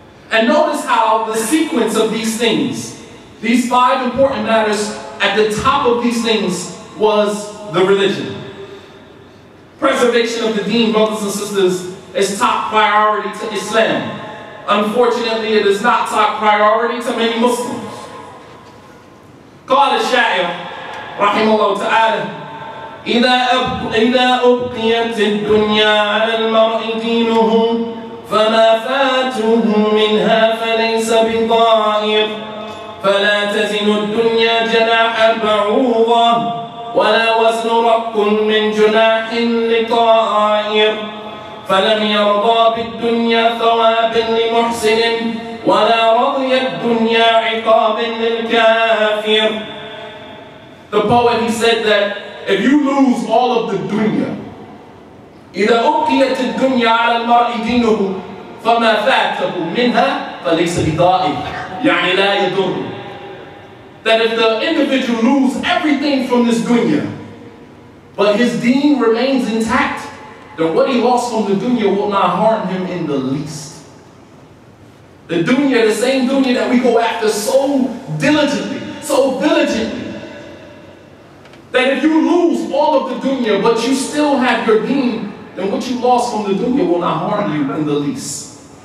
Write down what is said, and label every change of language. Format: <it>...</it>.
<en>And notice how the sequence of these things, these five important matters, at the top of these things was the religion. Preservation of the deen, brothers and sisters, is top priority to Islam. Unfortunately, it is not top priority to many Muslims.</en> <ar>قال الشاعر رحمه الله تعالى إذا أبقيت الدنيا على المرء دينه فما فاته منها فليس بضائر فلا تزن الدنيا جناح بعوضة ولا وزن رق من جناح لطائر فلم يرضى بالدنيا ثواب لمحسن ولا رضي الدنيا عقاب للكافر.</ar> <en>The poet, he said that if you lose all of the dunya,</en> <ar>إِذَا أُقِيَتِ الدُّنْيَا عَلَى الْمَرْءِ دِينُهُ فَمَا فَاتَهُ مِنْهَا فَلَيْسَ بِضَائِرٍ يَعْنِي لَا يَدُرُّ.</ar> <en>that if the individual lose everything from this dunya, but his deen remains intact, then what he lost from the dunya will not harm him in the least. The dunya, the same dunya that we go after so diligently, so vigilantly, that if you lose all of the dunya, but you still have your deen, then what you lost from the dunya will not harm you in the least.</en>